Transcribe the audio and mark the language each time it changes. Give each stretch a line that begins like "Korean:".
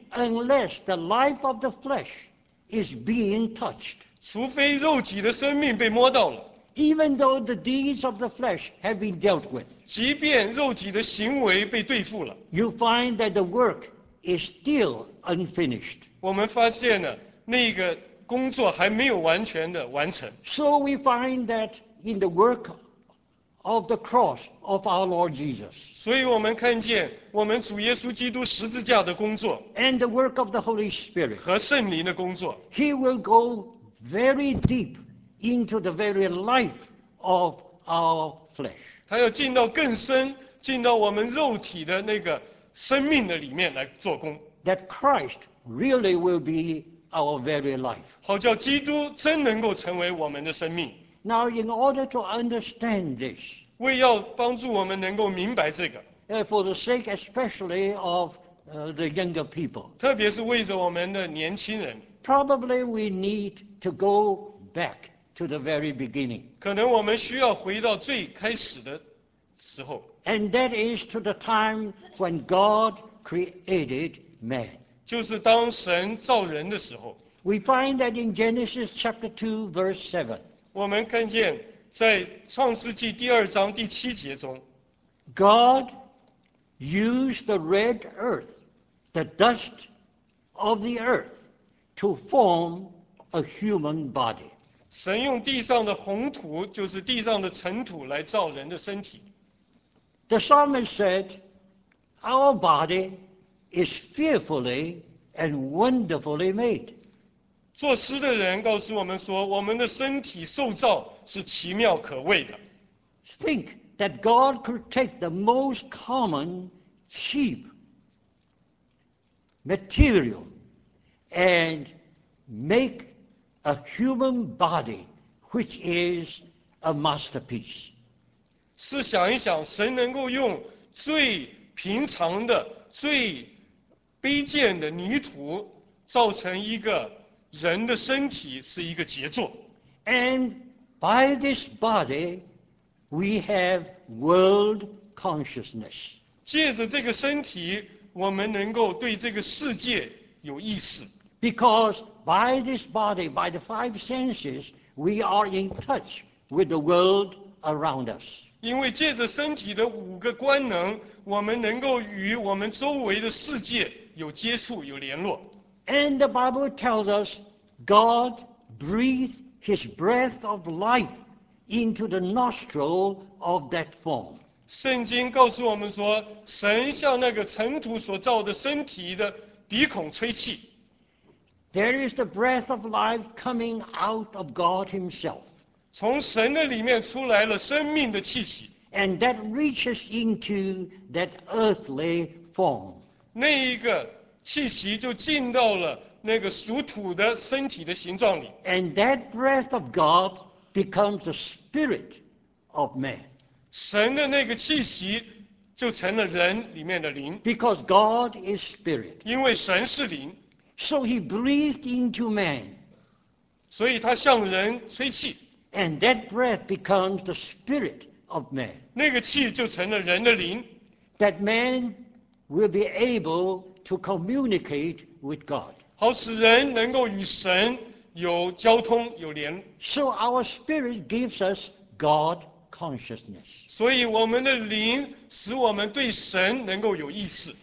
English: Unless the life of the flesh is being touched.
Chinese: 除非肉体的生命被摸到了。
English: Even though the deeds of the flesh have been dealt with,
Chinese: 即便肉体的行为被对付了，
English: you find that the work is still unfinished.
Chinese: 我们发现了那个工作还没有完全的完成。
English: So we find that in the work of the cross of our Lord Jesus.
Chinese: 所以我们看见我们主耶稣基督十字架的工作，
English: and the work of the Holy Spirit
Chinese: 和圣灵的工作，
English: He will goVery deep into the very life of our flesh.
Chinese: 他要进到更深，进到我们肉体的那个生命的里面来做工。
English: That Christ really will be our very life.
Chinese: 好叫基督真能够成为我们的生命。
English: Now, in order to understand this,
Chinese: 为要帮助我们能够明白这个
English: for the sake especially of the younger people,
Chinese: 特别是为着我们的年轻人。
English: Probably we need to go back to the very beginning.
Chinese: 可能我们需要回到最开始的时候。
English: And that is to the time when God created man.
Chinese: 就是当神造人的时候。
English: We find that in Genesis chapter 2, verse 7.
Chinese: 我们看见在创世纪第二章第七节中
English: ，God used the red earth, the dust of the earth, to form a human body.
Chinese: 神用地上的红土，就是地上的尘土，来造人的身体。
English: The psalmist said, "Our body is fearfully and wonderfully made."
Chinese: 作诗的人告诉我们说，我们的身体受造是奇妙可畏的。
English: Think that God could take the most common, cheap material and make a human body, which is a masterpiece.
Chinese: 试想一想，神能够用最平常的、最卑贱的泥土造成一个人的身体，是一个杰作。
English: And by this body, we have world consciousness.
Chinese: 借着这个身体，我们能够对这个世界有意识。
English: Because by this body, by the five senses, we are in touch with the world around us.
Chinese: 因为借着身体的五个官能，我们能够与我们周围的世界有接触、有联络。
English: And the Bible tells us God breathed His breath of life into the nostril of that form.
Chinese: 圣经告诉我们说，神向那个尘土所造的身体的鼻孔吹气。
English: There is the breath of life coming out of God Himself.
Chinese: 从神的里面出来了生命的气息。
English: And that reaches into that earthly form.
Chinese: 那一个气息就进到了那个属土的身体的形状里。
English: And that breath of God becomes the spirit of man.
Chinese: 神的那个气息就成了人里面的灵。
English: Because God is spirit.
Chinese: 因为神是灵。
English: So he breathed into man.
Chinese: 所以他向人吹气。
English: And that breath becomes the spirit of man.
Chinese: 那个气就成了人的灵。
English: That man will be able to communicate with God.
Chinese: 好使人能够与神有交通、有联。
English: So our spirit gives us God consciousness.
Chinese: 所以我们的灵使我们对神能够有意识。